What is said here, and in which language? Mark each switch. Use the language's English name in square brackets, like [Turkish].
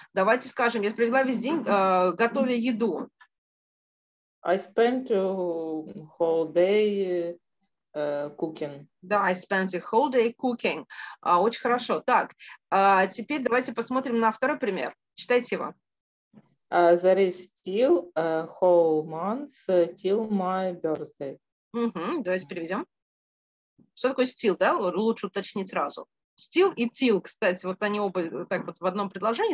[Russian] Давайте скажем, я провела весь день, готовя еду. [English] I spent the whole day cooking. Да, I spent the whole day cooking. [Russian] Очень хорошо. Так, теперь давайте посмотрим на второй пример. Читайте его. [English] There is still a whole month till my birthday. [Russian] Uh-huh. Давайте переведем. Что такое still, да? Лучше уточнить сразу. Still и till, кстати, вот они оба так вот в одном предложении.